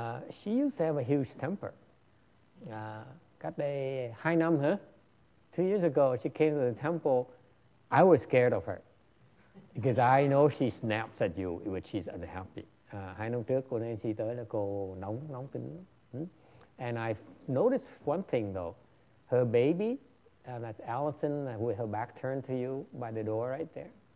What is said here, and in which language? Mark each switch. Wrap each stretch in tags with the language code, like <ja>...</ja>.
<en>She used to have a huge temper.</en> <vi>Cách đây 2 năm, huh?</vi> <en>2 years ago, she came to the temple. I was scared of her because I know she snaps at you when she's unhappy.</en> <vi>2 năm trước cô Nancy tới là cô nóng tính.</vi> <en>And I noticed one thing though, her baby, that's Allison with her back turned to you by the door right there.</en>